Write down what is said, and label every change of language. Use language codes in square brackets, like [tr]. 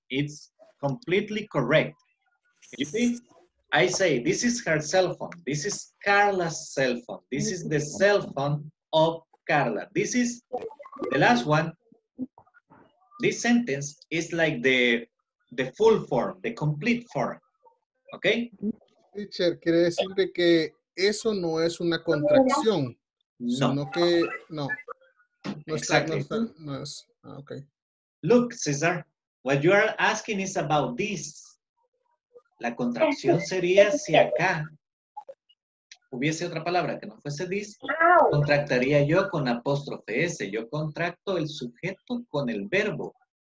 [en] It's completely correct. You see, I say, this is her cell phone. This is Carla's cell phone. This is the cell phone of Carla. This is the last one. This sentence is like the full form, the complete form. Okay? [es] Teacher, quiere decir que eso no es una contracción, no. Sino que no. No está, exactly. No es. Okay. [en] Look, Cesar, what you are asking is about this. [es] La contracción sería si acá hubiese otra palabra que no fuese this, contractaría yo con apóstrofe S. Yo contracto el sujeto con el verbo.